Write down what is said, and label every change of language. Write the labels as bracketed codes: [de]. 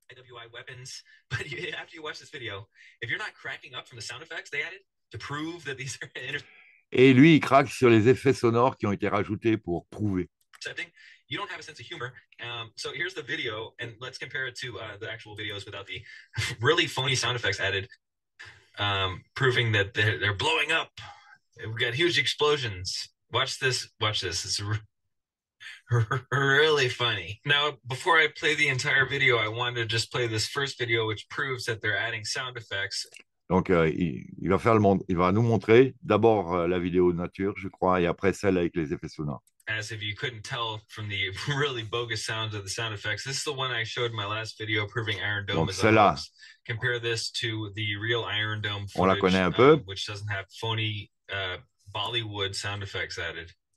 [en] IWI weapons, but after you watch this video, if you're not cracking up from the sound effects they added to prove that these are [fr] et lui il craque sur les effets sonores qui ont été rajoutés pour prouver. [en] You don't have a sense of humor. So here's the video, and let's compare it to the actual videos without the really phony sound effects added, proving that they're blowing up. We've got huge explosions. Watch this. It's really funny. Now, before I play the entire video, I wanted to just play this first video, which proves that they're adding sound effects. [fr] Donc, il va faire le monde. Il va nous montrer d'abord la vidéo de nature, je crois, et après celle avec les effets sonores. [en] As if you couldn't tell from the really bogus sounds of the sound effects, this is the one I showed in my last video proving Iron Dome. [fr] Donc, [en] is [fr] celle-là. [en] Compare this to the real Iron Dome footage. [fr] On la connaît un peu. [en] Which doesn't have phony Bollywood sound effects added.